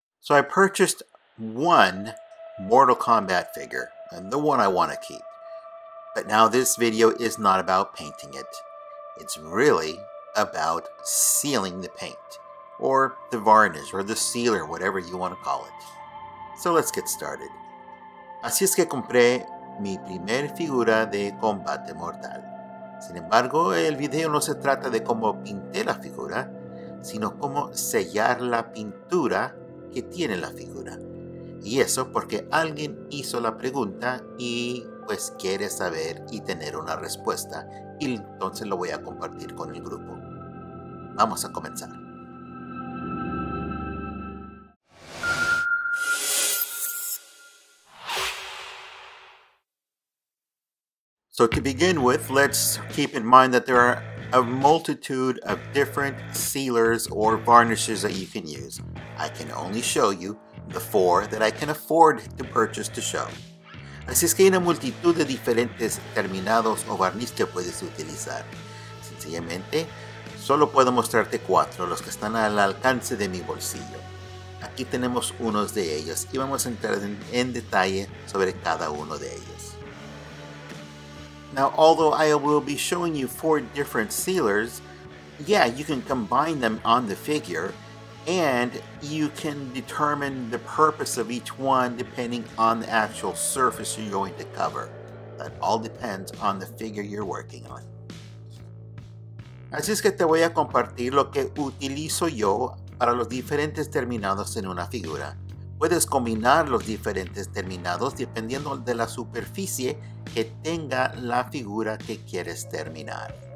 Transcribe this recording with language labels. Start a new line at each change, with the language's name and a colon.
English: I purchased one Mortal Kombat figure, and the one I want to keep. But now this video is not about painting it. It's really about sealing the paint, or the varnish, or the sealer, whatever you want to call it. So let's get started.
Spanish: Así es que compré mi primer figura de combate mortal. Sin embargo, el video no se trata de cómo pinté la figura, sino cómo sellar la pintura que tiene la figura. Y eso porque alguien hizo la pregunta y pues quiere saber y tener una respuesta. Y entonces lo voy a compartir con el grupo. Vamos a comenzar.
English: So to begin with, let's keep in mind that there are a multitude of different sealers or varnishes that you can use. I can only show you the four that I can afford to purchase to show.
Spanish: Así es que hay una multitud de diferentes terminados o varnish que puedes utilizar. Sencillamente, solo puedo mostrarte cuatro, los que están al alcance de mi bolsillo. Aquí tenemos unos de ellos y vamos a entrar en detalle sobre cada uno de ellos.
English: Now, although I will be showing you four different sealers, yeah, you can combine them on the figure and you can determine the purpose of each one depending on the actual surface you're going to cover. That all depends on the figure you're working on.
Spanish: Así es que te voy a compartir lo que utilizo yo para los diferentes terminados en una figura. Puedes combinar los diferentes terminados dependiendo de la superficie que tenga la figura que quieres terminar.